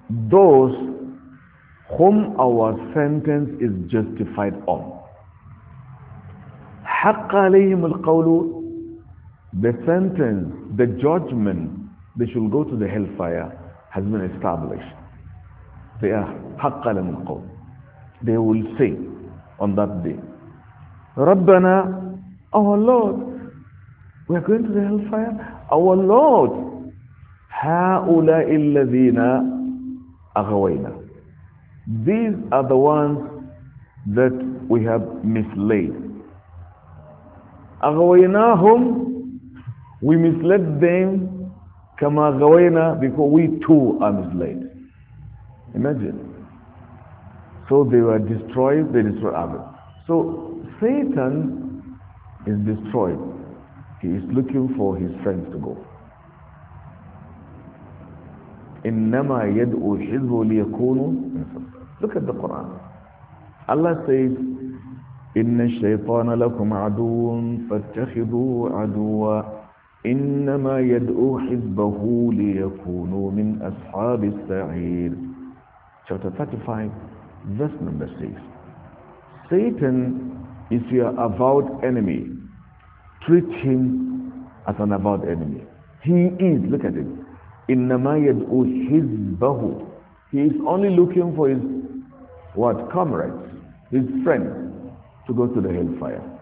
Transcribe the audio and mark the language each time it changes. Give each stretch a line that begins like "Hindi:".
English: Those whom our sentence is justified on.
Arabic: حَقَّ عَلَيْهِمُ الْقَوْلُ.
English: The sentence, the judgment, they should go to the hellfire, has been established. They are
Arabic: حَقَّ عَلَيْهِمُ الْقَوْلُ.
English: They will say on that day,
Arabic: رَبَّنَا.
English: Our Lord, we are going to the hellfire. Our Lord,
Arabic: هَؤُلَاءِ الَّذِينَ أَغَوَيْنَا.
English: These are the ones that we have misled.
Arabic: أَغَوَيْنَاهُمْ.
English: We misled them,
Arabic: كَمَا أَغَوَيْنَا,
English: because we too are misled. Imagine. So they were destroyed, they destroyed others. So Satan is destroyed. He is looking for his friends to go.
Arabic: إِنَّمَا يَدْعُوا حِزْبُ لِيَكُونُوا.
English: Look at the Quran. Allah says,
Arabic: إِنَّ الشَّيْطَانَ لَكُمْ عَدُوٌ فَاتَّخِذُوهُ عَدُوًا إِنَّمَا يَدْعُوا حِزْبَهُ لِيَكُونُوا مِنْ أَصْحَابِ السَّعِيرِ.
English: Chapter 35, verse number 6. Satan is your avowed enemy. Treat him as an avowed enemy. He is, look at him.
Arabic: إِنَّمَا يَدْعُوا حِزْبَهُ.
English: He is only looking for his, what, comrades, his friends, to go to the hellfire.